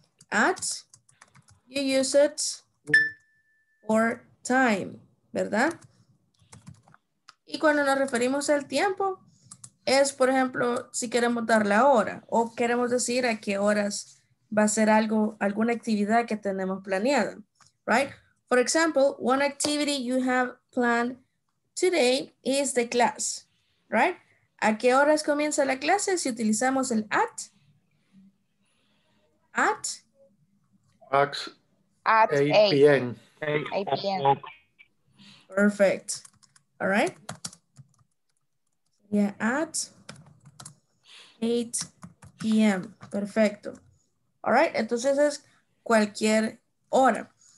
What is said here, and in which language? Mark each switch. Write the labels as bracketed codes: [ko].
[en] At, you use it for time, ¿verdad? [es] Y cuando nos referimos al tiempo, es, por ejemplo, si queremos dar la hora o queremos decir a qué horas va a ser algo, alguna actividad que tenemos planeada, right? [en] For example, one activity you have planned today is the class. Right? [es] ¿A qué horas comienza la clase si utilizamos el at? [en] At. At 8 p.m. Perfect. All right. Yeah, at 8 p.m. Perfecto. All right. [es] Entonces es cualquier hora.